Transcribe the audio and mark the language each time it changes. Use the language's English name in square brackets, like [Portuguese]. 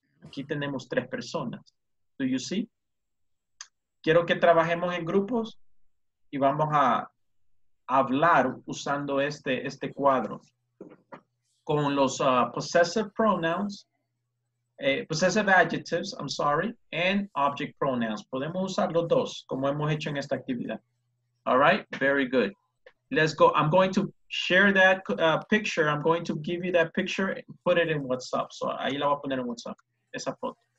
[Spanish] Aquí tenemos tres personas. [English] Do you see? [Spanish] Quiero que trabajemos en grupos y vamos a hablar usando este cuadro. Con los [English] possessive pronouns, possessive adjectives, I'm sorry, and object pronouns. [Spanish] Podemos usar los dos como hemos hecho en esta actividad. [English] All right, very good. Let's go. I'm going to share that picture. I'm going to give you that picture and put it in WhatsApp. [Spanish] So ahí la voy a poner en WhatsApp, esa foto.